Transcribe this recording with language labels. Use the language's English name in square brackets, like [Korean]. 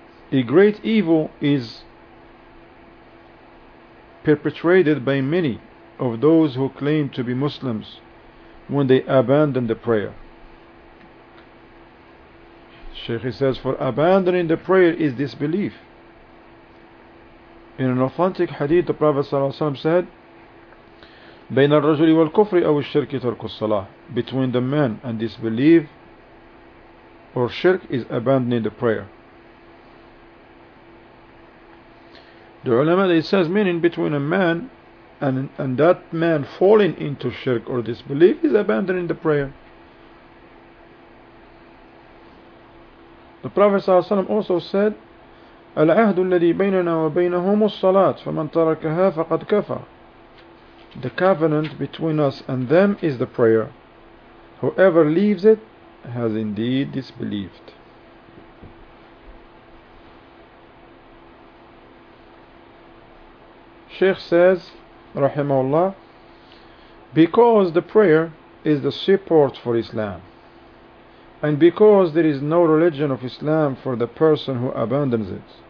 [English] A great evil is perpetrated by many of those who claim to be Muslims when they abandon the prayer. Sheikh says, for abandoning the prayer is disbelief. In an authentic hadith, the Prophet ﷺ said, [Arabic] بين الرجل والكفر أو الشرك ترك الصلاة. [English] Between the man and disbelief or shirk is abandoning the prayer. The ulama, they says, meaning between a man and that man falling into shirk or disbelief is abandoning the prayer. The Prophet ﷺ also said, [Arabic] العهد الذي بيننا وبينهم الصلاة فمن تركها فقد كفر. [English] The covenant between us and them is the prayer. Whoever leaves it has indeed disbelieved. Sheikh says, Rahimahullah, because the prayer is the support for Islam, and because there is no religion of Islam for the person who abandons it.